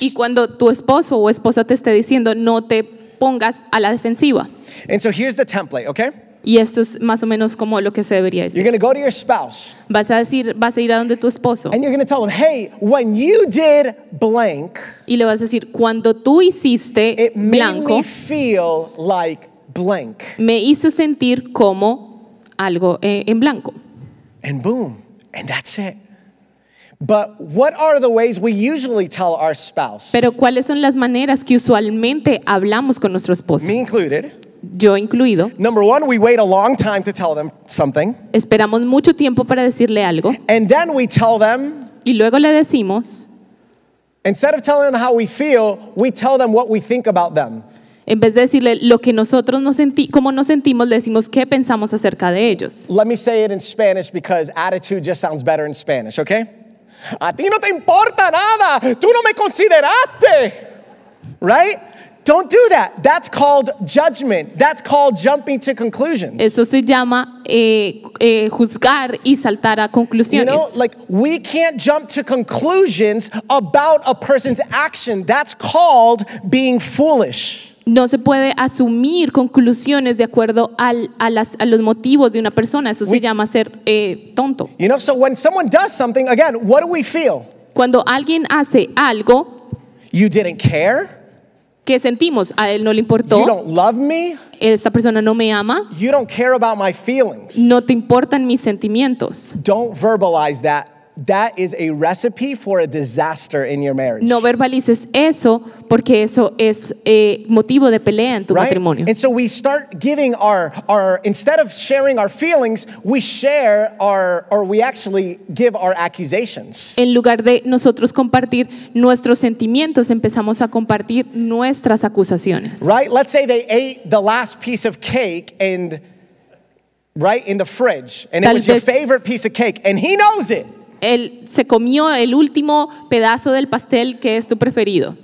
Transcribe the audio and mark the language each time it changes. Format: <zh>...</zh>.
<es>Y cuando tu esposo o esposa te esté diciendo, no te pongas a la defensiva.</es> <en>And so here's the template, okay?</en> <es>Y esto es más o menos como lo que se debería decir.</es> <en>You're going to go to your spouse.</en> <es>Vas a ir a donde tu esposo.</es> <en>And you're going to tell him, hey, when you did blank.</en> <es>Y le vas a decir, cuando tú hiciste</es> <en>it</en> <es>blanco.</es> <en>It made me feel like blank.</en> <es>Me hizo sentir como algo en blanco.</es> <en>And boom, and that's it. But what are the ways we usually tell our spouse?</en> <es>Pero ¿cuáles son las maneras que usualmente hablamos con nuestro esposo?</es> <en>Me included.</en> <es>Yo incluido.</es> <en>Number one, we wait a long time to tell them something.</en> <es>Esperamos mucho tiempo para decirle algo.</es> <en>And then we tell them.</en> <es>Y luego le decimos.</es> <en>Instead of telling them how we feel, we tell them what we think about them.</en> <es>En vez de decirle lo que nosotros cómo nos sentimos, le decimos qué pensamos acerca de ellos.</es> <en>Let me say it in Spanish because attitude just sounds better in Spanish, okay?</en> <es>A ti no te importa nada. Tú no me consideraste.</es> <en>Right? Don't do that. That's called judgment. That's called jumping to conclusions.</en> <es>Eso se llama juzgar y saltar a conclusiones.</es> <en>You know, like we can't jump to conclusions about a person's action. That's called being foolish.</en> <es>No se puede asumir conclusiones de acuerdo a los motivos de una persona. Eso se llama ser tonto.</es> <en>You know, so when someone does something, again, what do we feel?</en> <es>Cuando alguien hace algo,</es> <en>you didn't care.</en> <es>¿Qué sentimos? A él no le importó.</es> <en>You don't love me.</en> <es>Esta persona no me ama.</es> <en>You don't care about my feelings.</en> <es>No te importan mis sentimientos.</es> <en>Don't verbalize that. That is a recipe for a disaster in your marriage.</en> <es>No verbalices eso porque eso es motivo de pelea en tu matrimonio.</es> <en>And so we start giving our instead of sharing our feelings, we share we actually give our accusations.</en> <es>En lugar de nosotros compartir nuestros sentimientos, empezamos a compartir nuestras acusaciones.</es> <en>Right? Let's say they ate the last piece of cake and right in the fridge, and</en> <es>tal</es> <en>it was your favorite piece of cake, and he knows it.</en> <es>Él se comió el último pedazo del pastel que es tu preferido.</es>